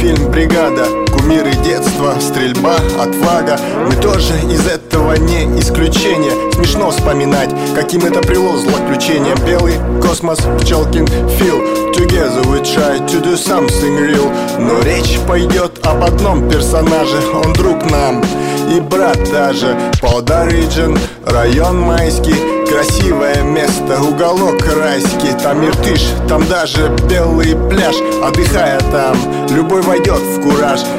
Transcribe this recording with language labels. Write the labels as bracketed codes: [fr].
[ru] бригада, кумиры детства, стрельба, отвага. Мы тоже из этого не исключение. Смешно вспоминать, каким это привело злоключение. Белый космос, пчелкин фил. [en] Together we try to do something real. [ru] Но речь пойдет об одном персонаже. Он друг нам и брат даже. Powder Region, район майский. Красивое место, уголок райский. Там Иртыш, там даже белый пляж. Отдыхая там, любой войдет в кураж.